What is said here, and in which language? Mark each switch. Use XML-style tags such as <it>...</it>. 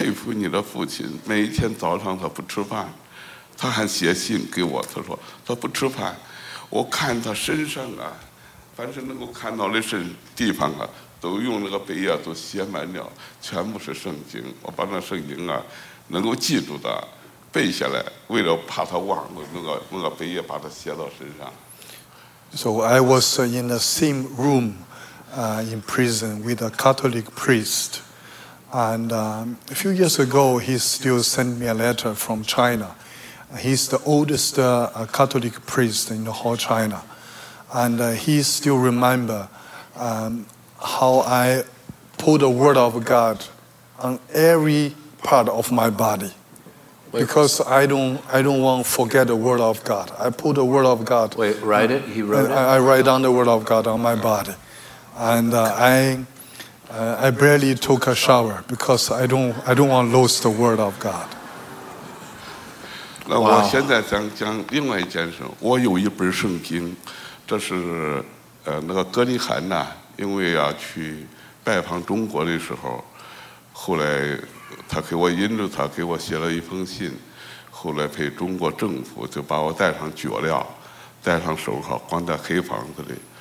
<zh>那我非常感谢神，我的儿子回家去看一个天主教的主教，那大主教关了15年，这个主教给我在一起的主教在监狱里10年，我的儿子去看他的时候，他在讲讲，他说我真佩服你的父亲，每一天早上他不吃饭。他还写信给我，他说他不吃饭，我看他身上啊，凡是能够看到的地方啊，都用那个白页都写满了，全部是圣经。我把那圣经啊，能够记住的，背下来，为了怕他忘了，那个白页把它写到身上。</zh> <en>So I was in the same room in prison with a Catholic priest, and a few years ago he still sent me a letter from China. He's the oldest Catholic priest in the whole China. And he still remember how I put the word of God on every part of my body. Because I don't want to forget the word of God. I put the word of God. Wait, write it? He wrote it? I write down the word of God on my body. And I barely took a shower because I don't want to lose the word of God.</en> <zh>那我现在想讲另外一件事，我有一本圣经，这是那个格里罕呢，因为要去拜访中国的时候，后来他给我引着他给我写了一封信，后来被中国政府就把我带上脚镣，带上手铐，关在黑房子里。</zh>